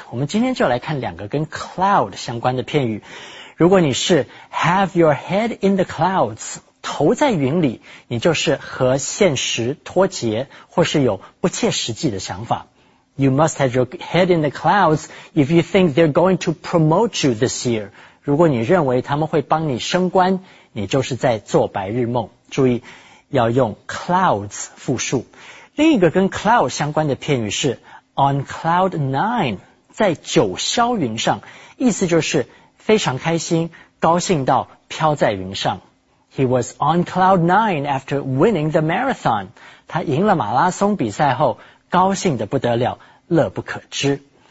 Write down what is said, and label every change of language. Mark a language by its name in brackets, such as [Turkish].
[Chinese] 我们今天就来看两个跟 cloud 相关的片语。如果你是 [English] have your head in the clouds, [Chinese] 头在云里，你就是和现实脱节，或是有不切实际的想法。 [English] You must have your head in the clouds if you think they're going to promote you this year. [Chinese] 如果你认为他们会帮你升官，你就是在做白日梦。注意要用 clouds 复数。另一个跟 cloud 相关的片语是 on cloud nine, 在九霄云上，意思就是非常开心，高兴到飘在云上。 [English] He was on cloud nine after winning the marathon. [Chinese] 他赢了马拉松比赛后，高兴得不得了，乐不可支。